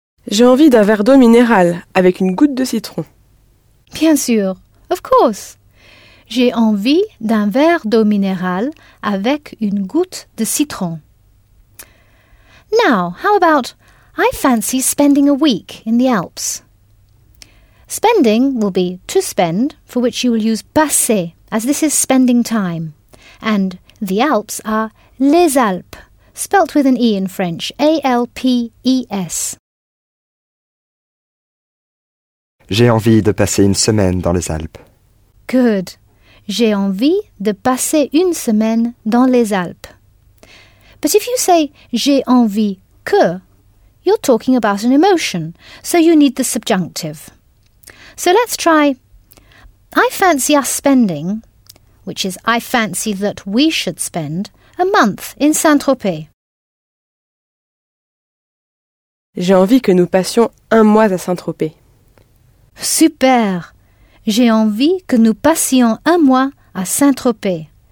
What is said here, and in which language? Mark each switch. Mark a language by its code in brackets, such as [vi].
[fr] J'ai envie d'un verre d'eau minérale avec une goutte de citron. Bien sûr, [en] of course. [fr] J'ai envie d'un verre d'eau minérale avec une goutte de citron. [en] Now, how about I fancy spending a week in the Alps? Spending will be to spend, for which you will use passer, as this is spending time. And the Alps are les Alpes, spelt with an E in French, A-L-P-E-S. [fr] J'ai envie de passer une semaine dans les Alpes. [en] Good. [fr] J'ai envie de passer une semaine dans les Alpes. [en] But if you say [fr] j'ai envie que, [en] you're talking about an emotion, so you need the subjunctive. So let's try I fancy us spending, which is I fancy that we should spend, a month in Saint-Tropez. [fr] J'ai envie que nous passions un mois à Saint-Tropez. Super! J'ai envie que nous passions un mois à Saint-Tropez.